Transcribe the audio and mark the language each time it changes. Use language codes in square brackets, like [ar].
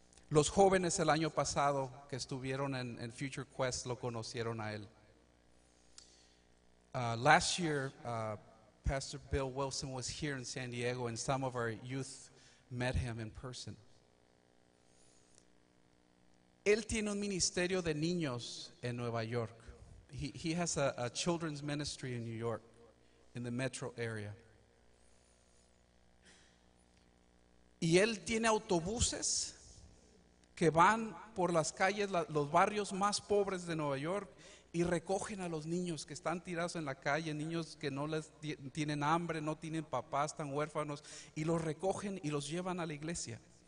[es] Los jóvenes el año pasado que estuvieron en Future Quest lo conocieron a él. [en] Last year, Pastor Bill Wilson was here in San Diego and some of our youth met him in person. [es] Él tiene un ministerio de niños en Nueva York. [en] He has a children's ministry in New York, in the metro area. [es] Y él tiene autobuses que van por las calles, los barrios más pobres de Nueva York, y recogen a los niños que están tirados en la calle, niños que no les tienen hambre, no tienen papás, están huérfanos, y los recogen y los llevan a la iglesia.